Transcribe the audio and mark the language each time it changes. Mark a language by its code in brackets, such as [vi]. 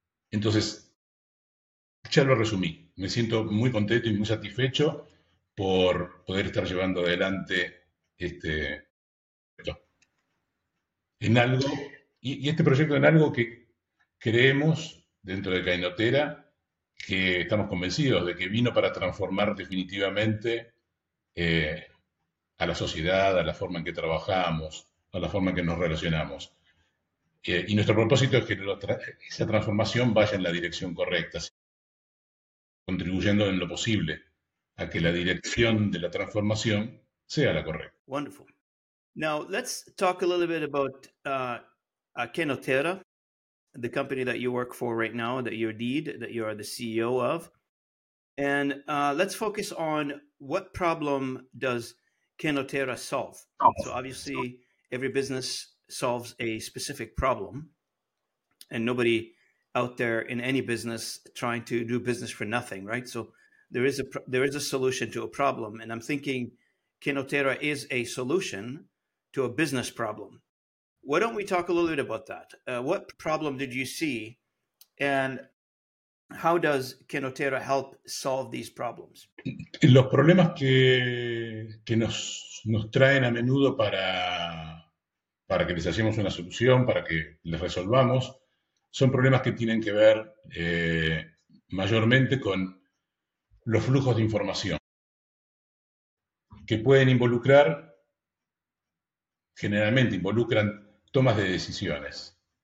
[es] Entonces, ya lo resumí. Me siento muy contento y muy satisfecho por poder estar llevando adelante este proyecto en algo, y este proyecto en algo que creemos dentro de Cainotera, que estamos convencidos de que vino para transformar definitivamente a la sociedad, a la forma en que trabajamos, a la forma en que nos relacionamos. Y nuestro propósito es que esa transformación vaya en la dirección correcta, ¿sí? Contribuyendo en lo posible a que la dirección de la transformación sea la correcta. [en] Wonderful. Now, let's talk a little bit about Cainotera, the company that you work for right now, that you're lead, that you are the CEO of. And let's focus on what problem does Cainotera solve? So obviously, every business solves a specific problem, and nobody out there in any business trying to do business for nothing, right? So there is a solution to a problem, and I'm thinking Cainotera is a solution to a business problem. Why don't we talk a little bit about that? What problem did you see, and how does Cainotera help solve these problems? [es] Los problemas que nos traen a menudo para que les hacemos una solución, para que les resolvamos, son problemas que tienen que ver mayormente con los flujos de información, que pueden involucrar, generalmente involucran tomas de decisiones.